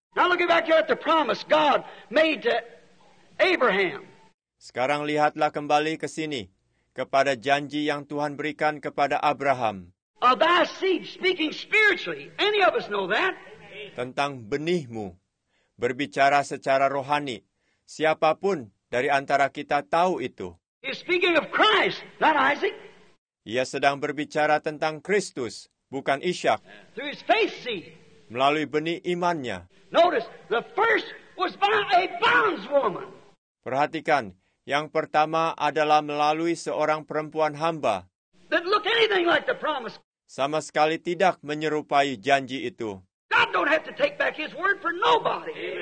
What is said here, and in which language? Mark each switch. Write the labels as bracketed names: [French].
[English] Now look back here at the promise God made to Abraham. [Indonesian] Sekarang lihatlah kembali ke sini kepada janji yang Tuhan berikan kepada Abraham. [English] Of thy seed, speaking spiritually, any of us know that. [Indonesian] Tentang benihmu, berbicara secara rohani, siapapun dari antara kita tahu itu. [English] He's speaking of Christ, not Isaac. [Indonesian] Ia sedang berbicara tentang Kristus, bukan Ishak. [English] Through his faith seed. [Indonesian] Melalui benih imannya. [English] Notice, the first was by a bondswoman. [Indonesian] Perhatikan, yang pertama adalah melalui seorang perempuan hamba. [English] That look anything like the promise. [Indonesian] Sama sekali tidak menyerupai janji itu. [English] God don't have to take back his word for nobody.